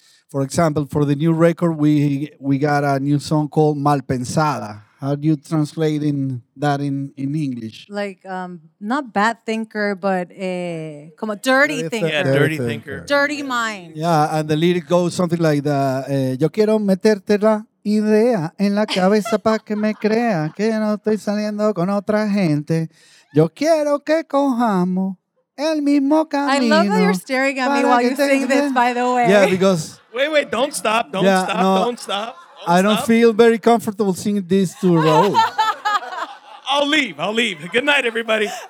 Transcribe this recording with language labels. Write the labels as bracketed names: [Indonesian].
[English] For example, for the new record, we got a new song called Mal Pensada. How do you translate in that in English? Like, not bad thinker, but a como dirty thinker. Yeah, dirty thinker. Dirty mind. Yeah, and the lyric goes something like that. [Spanish] Yo quiero meterte la idea en la cabeza para que me crea que no estoy saliendo con otra gente. Yo quiero que cojamos el mismo camino. [English] I love that you're staring at me while you sing this, by the way. Yeah, because... Wait, don't stop, don't yeah, stop, no, don't stop. I don't feel very comfortable singing this to Raul. I'll leave. Good night, everybody.